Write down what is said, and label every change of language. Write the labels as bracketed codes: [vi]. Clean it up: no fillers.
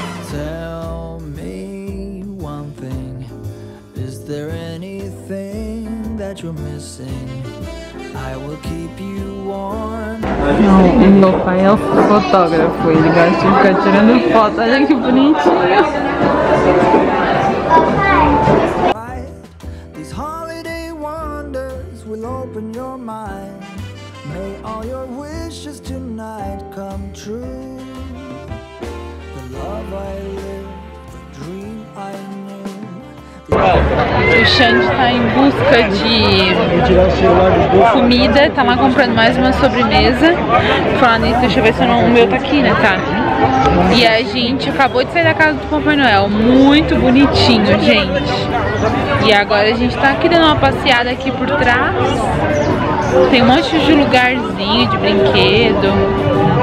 [en] Tell me one thing, is there anything that you're missing? I will keep you warm. [pt] Meu pai é o fotógrafo, ele gosta de ficar tirando foto. Olha que bonitinho. [en] These holiday wonders will open your mind. May all your wishes tonight come true. The love I live, the dream I knew. [pt] O Xande tá em busca de comida, tá lá comprando mais uma sobremesa. Falando nisso, deixa eu ver se o meu tá aqui, né, tá? E a gente acabou de sair da casa do Papai Noel, muito bonitinho, gente. E agora a gente tá aqui dando uma passeada aqui por trás. Tem um monte de lugarzinho, de brinquedo.